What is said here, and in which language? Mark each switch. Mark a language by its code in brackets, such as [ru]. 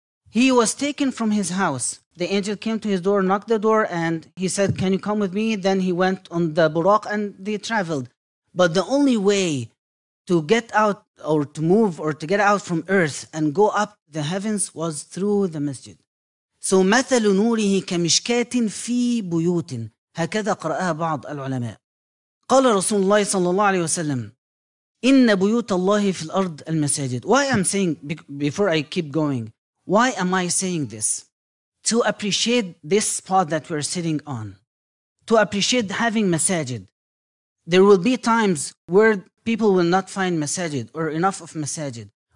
[en] He was taken from his house. The angel came to his door, knocked the door, and he said, can you come with me? Then he went on the Buraq and they traveled. But the only way to get out or to move or to get out from earth and go up the heavens was through the masjid. [ar] So, مثل نوره كمشكاة في بيوت هكذا قرأها بعض العلماء. قال رسول الله صلى الله عليه وسلم إن بيوت الله في الأرض المساجد. [en] Why I'm saying, before I keep going, why am I saying this? To appreciate this spot that we're sitting on. To appreciate having masajid. There will be times where people will not find masajid or enough of masajid.